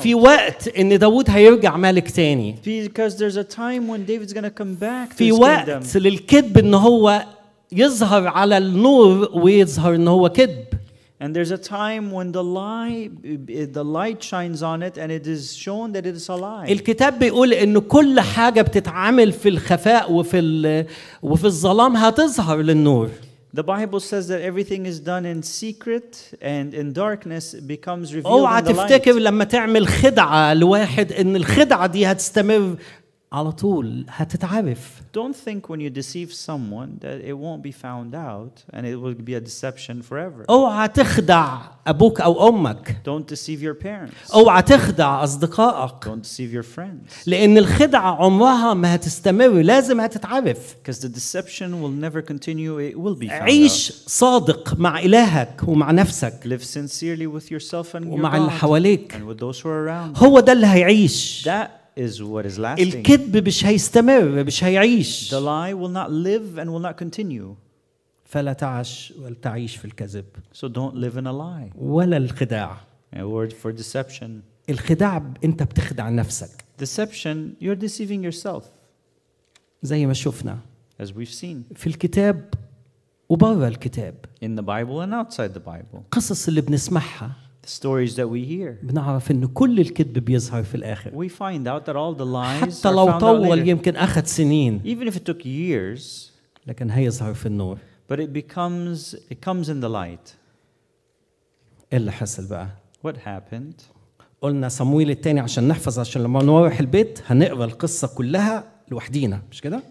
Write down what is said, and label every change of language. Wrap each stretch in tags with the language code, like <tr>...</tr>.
<ar>في وقت إن داود هيرجع ملك تاني.</ar> <en>Because there's a time when David's going to come back to his kingdom.</en> <ar>في وقت للكذب إن هو يظهر على النور ويظهر إن هو كذب.</ar> <en>And there's a time when the light shines on it and it is shown that it is a lie.</en> <ar>الكتاب بيقول ان كل حاجه بتتعامل في الخفاء وفي الظلام هتظهر للنور.</ar> <en>The Bible says that everything is done in secret and in darkness becomes revealed in the light.</en> <ar>اوعى تفتكر لما تعمل خدعه لواحد ان الخدعه دي هتستمر على طول هتتعرف.</ar> <en>Don't think when you deceive someone that it won't be found out and it will be a deception forever.</en> <ar>اوعى تخدع ابوك او امك.</ar> <en>Don't deceive your parents.</en> <ar>اوعى تخدع اصدقائك.</ar> <en>Don't deceive your friends.</en> <ar>لان الخدعه عمرها ما هتستمر لازم هتتعرف.</ar> <en>Because the deception will never continue, it will be found.</en> <ar>عيش صادق مع الهك ومع نفسك.</ar> <en>Live sincerely with yourself and</en> <ar>ومع اللي حواليك.</ar> <en>And with those who are around.</en> <ar>هو ده اللي هيعيش.</ar> <en>That is what is lasting.</en> <ar>الكذب مش هيستمر مش هيعيش.</ar> <en>The lie will not live and will not continue.</en> <ar>فلا تعش ولا تعيش في الكذب.</ar> <en>So don't live in a lie.</en> <ar>ولا الخداع.</ar> <en>A word for deception.</en> <ar>الخداع انت بتخدع نفسك.</ar> <en>Deception, you're deceiving yourself.</en> <ar>زي ما شفنا.</ar> <en>As we've seen.</en> <ar>في الكتاب وبره الكتاب.</ar> <en>In the Bible and outside the Bible.</en> <ar>قصص اللي بنسمعها.</ar> <en>The stories that we hear.</en> <ar>بنعرف ان كل الكذب بيظهر في الاخر.</ar> <en>We find out that all the lies.</en> <ar>حتى لو طول يمكن اخذ سنين.</ar> <en>Even if it took years.</en> <ar>لكن هيظهر في النور.</ar> <en>But it comes in the light.</en> <ar>ايه اللي حصل بقى؟</ar> <en>What happened?</en> <ar>قلنا صمويل الثاني عشان نحفظ عشان لما نروح البيت هنقرأ القصة كلها لوحدينا مش كده؟</ar>